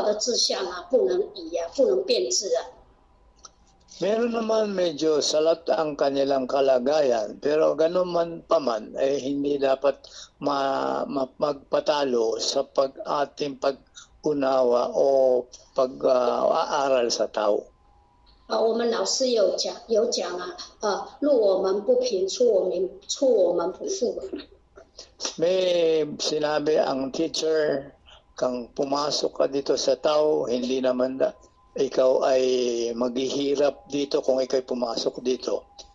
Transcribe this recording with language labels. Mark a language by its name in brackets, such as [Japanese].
[Chinese] 那有的人啊，他就在生活物欲上呢，就会比较困苦。可是呢，我们修道的志向啊，不能移啊，不能变质啊。 [Filipino] Meron naman medyo salat ang kanilang kalagayan, pero ganun man paman ay hindi dapat magpatalo sa ating pag-unawa o pag-aaral sa tao. [Chinese] 我们老师有讲啊，路我们不平，处我们不复。 [Filipino] May sinabi ang teacher, kang pumasok ka dito sa tao, hindi naman na ikaw ay maghihirap dito kung ikaw pumasok dito.